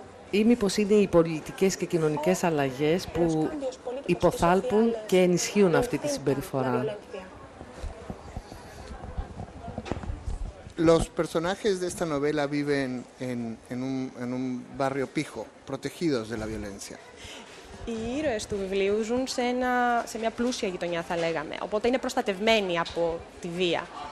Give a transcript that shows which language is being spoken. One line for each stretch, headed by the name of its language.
Greek: Ή μήπως είναι οι πολιτικές και κοινωνικές αλλαγές που υποθάλπουν και ενισχύουν αυτή τη συμπεριφορά.
Spanish: Los personajes de esta novela viven en un barrio pijo, protegidos de la violencia.
Greek: Οι ήρωες του βιβλίου ζουν σε μια πλούσια γειτονιά, θα λέγαμε. Οπότε είναι προστατευμένοι από τη βία.